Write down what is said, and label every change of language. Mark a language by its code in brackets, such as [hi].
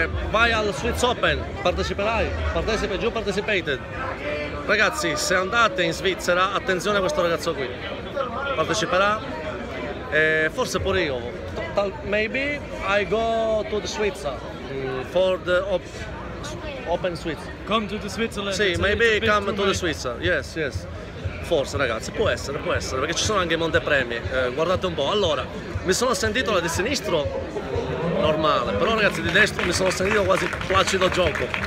[it] Vai al Swiss Open, parteciperai? Participated. Ragazzi, se andate in Svizzera, attenzione a questo ragazzo qui. Parteciperà. Forse pure io. [en] Maybe I go to the Switzerland. For the Open Switzerland. Come to the Switzerland. Sì, maybe come to the Switzerland. Yes. [it] Forse, ragazzi, può essere, perché ci sono anche i montepremi. Guardate un po'. Allora, mi sono sentito la di sinistro normale, però ragazzi, di destro mi sono sentito quasi placido gioco.